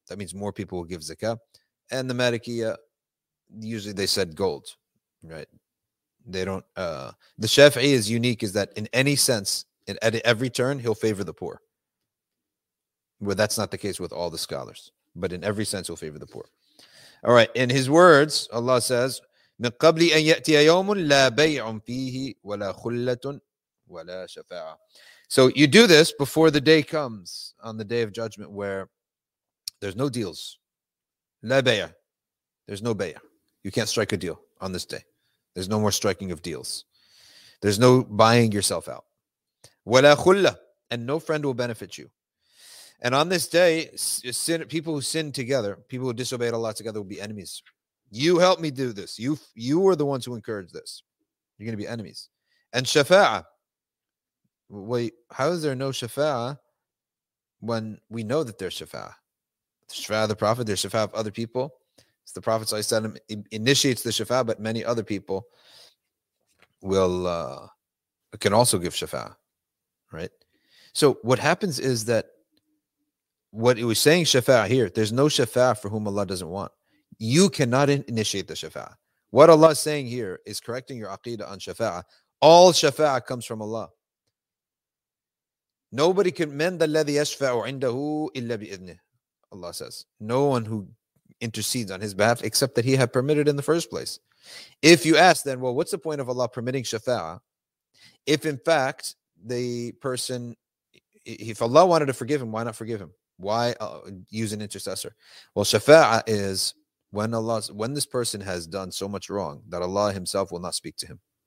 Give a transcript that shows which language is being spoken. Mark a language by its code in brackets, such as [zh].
[en] That means more people will give zakah. And the Malikiyya, usually they said gold, right? They don't. The Shafi'iyya's unique is that in any sense, at every turn, he'll favor the poor. Well, that's not the case with all the scholars. But in every sense, he'll favor the poor. All right, in his words, Allah says, [ar] مِنْ قَبْلِ أَنْ يَأْتِيَ يَوْمٌ لَا بَيْعٌ فِيهِ وَلَا خُلَّةٌ وَلَا شَفَاعَةٌ. [en] So you do this before the day comes, on the day of judgment, where there's no deals. [ar] لا بَيْع. [en] There's no بَيْع. You can't strike a deal on this day. There's no more striking of deals. There's no buying yourself out. [ar] وَلَا خُلَّةٌ. [en] And no friend will benefit you. And on this day, sin, people who sin together, people who disobeyed Allah together will be enemies. You helped me do this. You are the ones who encouraged this. You're going to be enemies. And shafa'ah, Wait, how is there no Shafa'a when we know that there's Shafa'a? The Shafa'a of the Prophet, there's Shafa'a of other people. It's the Prophet initiates the Shafa'a, but many other people can also give Shafa'a, right? So what happens is that what it was saying, Shafa'a here, there's no Shafa'a for whom Allah doesn't want. You cannot initiate the Shafa'a. What Allah is saying here is correcting your aqidah on Shafa'a. All Shafa'a comes from Allah. Nobody can mend the [ar] الَّذِي يَشْفَعُ عِنْدَهُ إِلَّا بِإِذْنِهِ. [en] Allah says, no one who intercedes on his behalf except that he had permitted in the first place. If you ask then, well, what's the point of Allah permitting Shafa'a? If in fact the person, if Allah wanted to forgive him, why not forgive him? Why use an intercessor? Well, Shafa'a is when this person has done so much wrong that Allah himself will not speak to him.